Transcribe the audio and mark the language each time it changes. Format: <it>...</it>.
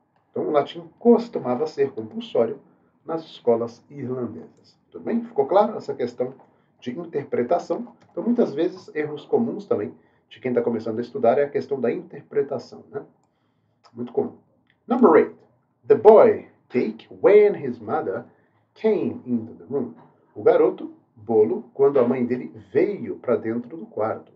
<pt>Então, o latim costumava ser compulsório nas escolas irlandesas. Tudo bem? Ficou claro essa questão de interpretação? Então, muitas vezes, erros comuns também de quem está começando a estudar é a questão da interpretação, né? Muito comum.</pt> <en>Number 8. The boy, cake, when his mother came into the room.</en> <pt>O garoto, bolo, quando a mãe dele veio para dentro do quarto.</pt>